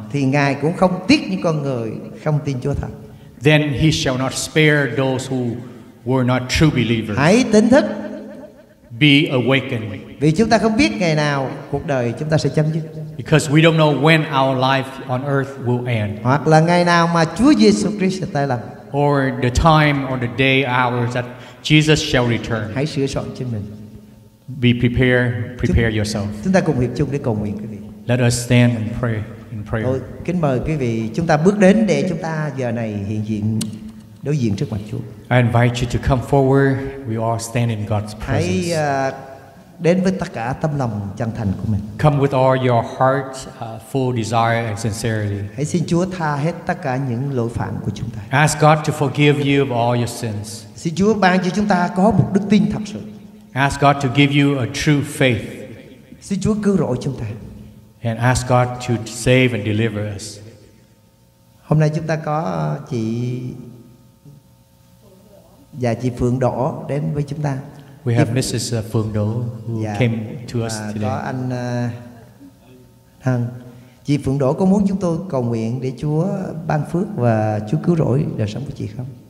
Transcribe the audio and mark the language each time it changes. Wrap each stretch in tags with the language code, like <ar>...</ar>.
<vi>Thì Ngài cũng không tiếc những con người không tin Chúa thật.</vi> <en>Then he shall not spare those who were not true believers.</en> <vi>Hãy tỉnh thức.</vi> <en>Be awakened.</en> <vi>Vì chúng ta không biết ngày nào cuộc đời chúng ta sẽ chấm dứt.</vi> <en>Because we don't know when our life on earth will end.</en> <vi>Hoặc là ngày nào mà Chúa Jesus Christ sẽ tái lâm.</vi> <en>Or the time or the day hours that Jesus shall return.</en> <vi>Hãy sửa soạn chính mình.</vi> <en>Be prepare yourself.</en> <vi>Chúng ta cùng hiệp chung để cầu nguyện quý vị.</vi> <en>Let us stand and pray in prayer.</en> <vi>Tôi kính mời quý vị chúng ta bước đến để chúng ta giờ này hiện diện đối diện trước mặt Chúa.</vi> <en>I invite you to come forward. We all stand in God's presence.</en> <vi>Hãy đến với tất cả tâm lòng chân thành của mình.</vi> <en>Come with all your heart, full desire and sincerity.</en> <vi>Hãy xin Chúa tha hết tất cả những lỗi phạm của chúng ta.</vi> <en>Ask God to forgive you of all your sins.</en> <vi>Xin Chúa ban cho chúng ta có một đức tin thật sự.</vi> <en>Ask God to give you a true faith.</en> <vi>Xin Chúa cứu rỗi chúng ta.</vi> <en>And ask God to save and deliver us.</en> <vi>Hôm nay chúng ta có chị và chị Phượng Đỗ đến với chúng ta.</vi> <en>We have Mrs. Phượng Đỗ who came to us today.</en> <vi>Có anh Hằng. Chị Phượng Đỗ có muốn chúng tôi cầu nguyện để Chúa ban phước và Chúa cứu rỗi đời sống của chị không?</vi>